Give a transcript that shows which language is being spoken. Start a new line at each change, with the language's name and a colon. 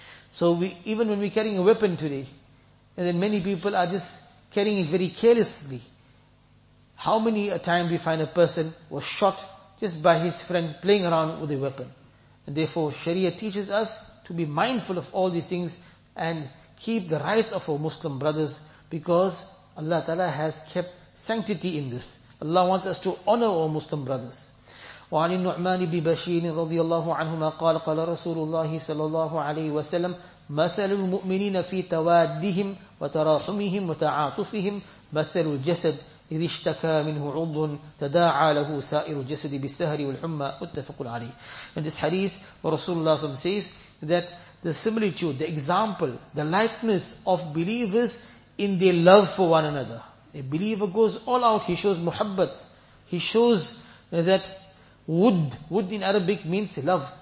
English: So even when we're carrying a weapon today, and then many people are just carrying it very carelessly, how many a time we find a person was shot just by his friend playing around with a weapon? And therefore, Sharia teaches us to be mindful of all these things and keep the rights of our Muslim brothers, because Allah Ta'ala has kept sanctity in this. Allah wants us to honor our Muslim brothers.
Arabic: وعن النعمان بن بشير رضي الله عنهما قال قال رسول الله صلى الله عليه وسلم مثل المؤمنين في توادهم وتراحمهم وتعاطفهم مثل الجسد إذ اشتكى منه عضو تداعى له سائر الجسد بالسهر والحمى متفق عليه.
English: In this hadith, Rasulullah SAW says that the similitude, the example, the likeness of believers in their love for one another. A believer goes all out, he shows muhabbat, he shows that wood in Arabic means love.